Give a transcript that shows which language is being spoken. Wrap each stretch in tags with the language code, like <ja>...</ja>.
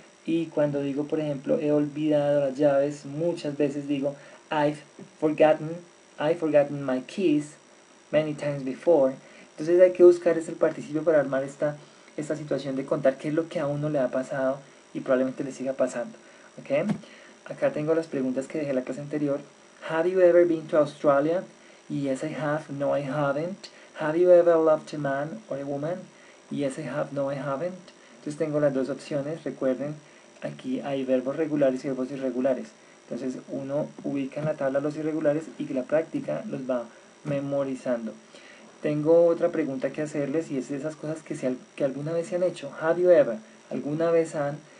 <es>Y cuando digo, por ejemplo, he olvidado las llaves muchas veces, digo</es> <en>I've forgotten my keys many times before.</en> <es>Entonces hay que buscar ese participio para armar esta situación de contar qué es lo que a uno le ha pasado y probablemente le siga pasando. ¿Okay? Acá tengo las preguntas que dejé en la clase anterior.</es> <en>Have you ever been to Australia? Yes, I have. No, I haven't. Have you ever loved a man or a woman? Yes, I have. No, I haven't.</en> <es>Entonces tengo las dos opciones. Recuerden, aquí hay verbos regulares y verbos irregulares. Entonces uno ubica en la tabla los irregulares y que la práctica los va memorizando. Tengo otra pregunta que hacerles y es de esas cosas que alguna vez se han hecho.</es> <en>Have you ever?</en> <es>¿Alguna vez han?</es>